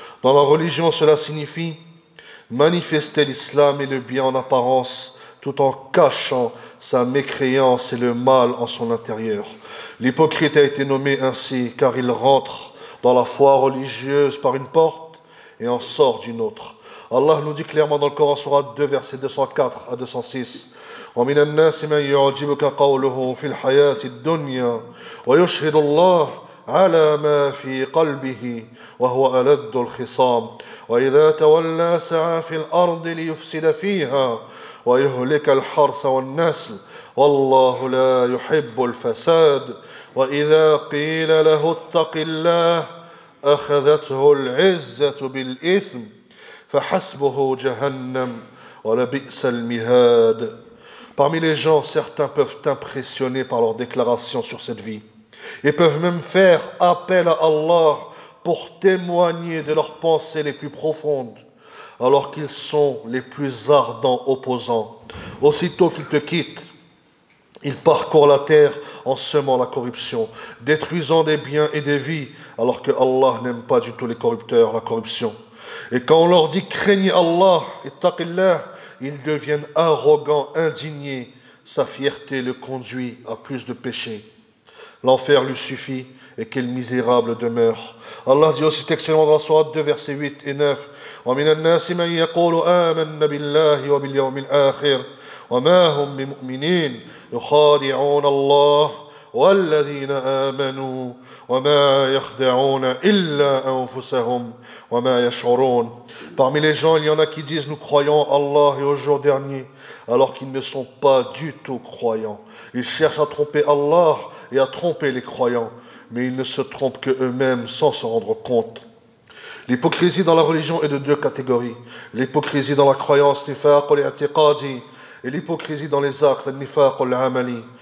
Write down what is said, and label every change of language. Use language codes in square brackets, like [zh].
[fr] Dans la religion, cela signifie manifester l'islam et le bien en apparence, tout en cachant sa mécréance et le mal en son intérieur. L'hypocrite a été nommé ainsi car il rentre dans la foi religieuse par une porte et en sort d'une autre. Allah nous dit clairement dans le Coran sourate 2, versets 204 à 206: [ar] ومن الناس من يعجبك قوله في الحياة الدنيا ويشهد الله على ما في قلبه وهو ألد الخصام وإذا تولى سعى في الأرض ليفسد فيها ويهلك الحرث والنسل والله لا يحب الفساد وإذا قيل له اتق الله أخذته العزة بالإثم فحسبه جهنم ولبئس المهاد. [fr] Parmi les gens, certains peuvent t'impressionner par leurs déclarations sur cette vie et peuvent même faire appel à Allah pour témoigner de leurs pensées les plus profondes, alors qu'ils sont les plus ardents opposants. Aussitôt qu'ils te quittent, ils parcourent la terre en semant la corruption, détruisant des biens et des vies, alors que Allah n'aime pas du tout les corrupteurs, la corruption. Et quand on leur dit « craignez Allah » et « taqillah », ils deviennent arrogants, indignés. Sa fierté le conduit à plus de péchés. L'enfer lui suffit et quel misérable demeure. Allah dit aussi excellemment dans la sourate 2, versets 8 et 9: [ar] وَمِنَ النَّاسِ مَنْ يَقُولُ آمَنَّ بِاللَّهِ وَبِالْيَوْمِ الْآخِرِ وَمَا هُمْ بِمُؤْمِنِينَ يُخَادِعُونَ اللَّهَ وَالَّذِينَ آمَنُوا وَمَا يَخْدَعُونَ إِلَّا أَنفُسَهُمْ وَمَا يَشْعُرُونَ. [fr] Parmi les gens, il y en a qui disent « Nous croyons en Allah et au jour dernier », alors qu'ils ne sont pas du tout croyants. Ils cherchent à tromper Allah et à tromper les croyants, mais ils ne se trompent que eux-mêmes sans se rendre compte. L'hypocrisie dans la religion est de deux catégories. L'hypocrisie dans la croyance, nifaq al-i'tiqadi, et l'hypocrisie dans les actes, nifaq al-amali.